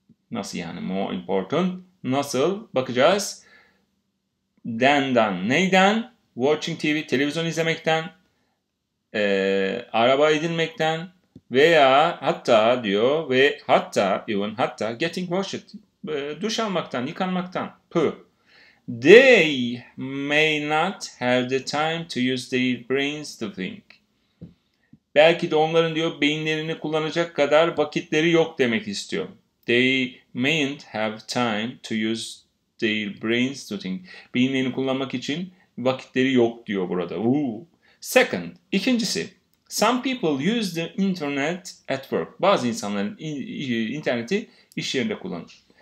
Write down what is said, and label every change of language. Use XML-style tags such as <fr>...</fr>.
<tr>Nasıl yani</tr> <en>more important?</en> <tr>Nasıl? Bakacağız. Than. Neyden?</tr> <en>Watching TV,</en> <tr>televizyon izlemekten, araba edinmekten veya hatta diyor ve hatta</tr> <en>even</en> <tr>hatta</tr> <en>getting washed,</en> <tr>duş almaktan, yıkanmaktan.</tr> <en>They may not have the time to use their brains to think.</en> <tr>Belki de onların diyor beyinlerini kullanacak kadar vakitleri yok demek istiyor.</tr> <en>They mayn't have time to use their brains to think.</en> <tr>Beyinlerini kullanmak için vakitleri yok diyor burada. Ooh.</tr> <en>Second, ikincisi. Some people use the internet at work.</en> <tr>Bazı insanların interneti iş yerinde kullanır.</tr>